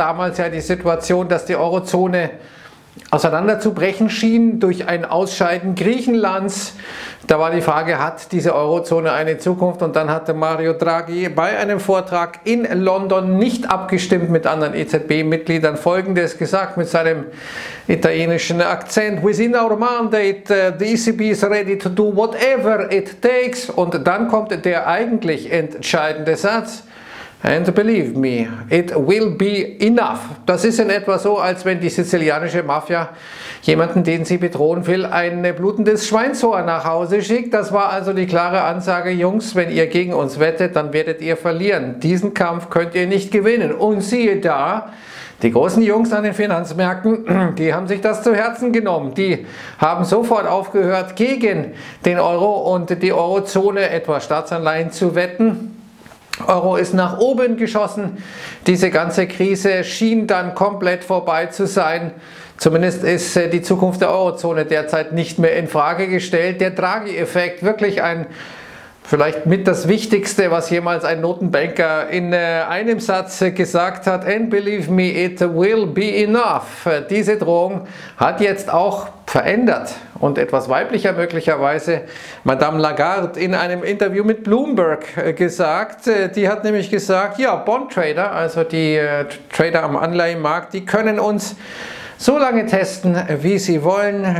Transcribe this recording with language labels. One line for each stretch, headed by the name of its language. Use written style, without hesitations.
German: Damals ja die Situation, dass die Eurozone auseinanderzubrechen schien durch ein Ausscheiden Griechenlands. Da war die Frage, hat diese Eurozone eine Zukunft? Und dann hatte Mario Draghi bei einem Vortrag in London nicht abgestimmt mit anderen EZB-Mitgliedern Folgendes gesagt mit seinem italienischen Akzent.
English: Within our mandate, the ECB is ready to do whatever it takes.
German: Und dann kommt der eigentlich entscheidende Satz.
English: And believe me, it will be enough.
German: Das ist in etwa so, als wenn die sizilianische Mafia jemanden, den sie bedrohen will, ein blutendes Schweinshorn nach Hause schickt. Das war also die klare Ansage, Jungs, wenn ihr gegen uns wettet, dann werdet ihr verlieren. Diesen Kampf könnt ihr nicht gewinnen. Und siehe da, die großen Jungs an den Finanzmärkten, die haben sich das zu Herzen genommen. Die haben sofort aufgehört, gegen den Euro und die Eurozone etwa Staatsanleihen zu wetten. Euro ist nach oben geschossen. Diese ganze Krise schien dann komplett vorbei zu sein. Zumindest ist die Zukunft der Eurozone derzeit nicht mehr in Frage gestellt. Der Draghi-Effekt, wirklich ein vielleicht mit das Wichtigste, was jemals ein Notenbanker in einem Satz gesagt hat.
English: And believe me, it will be enough.
German: Diese Drohung hat jetzt auch verändert und etwas weiblicher möglicherweise Madame Lagarde in einem Interview mit Bloomberg gesagt. Die hat nämlich gesagt, ja, Bondtrader, also die Trader am Anleihenmarkt, die können uns so lange testen, wie sie wollen.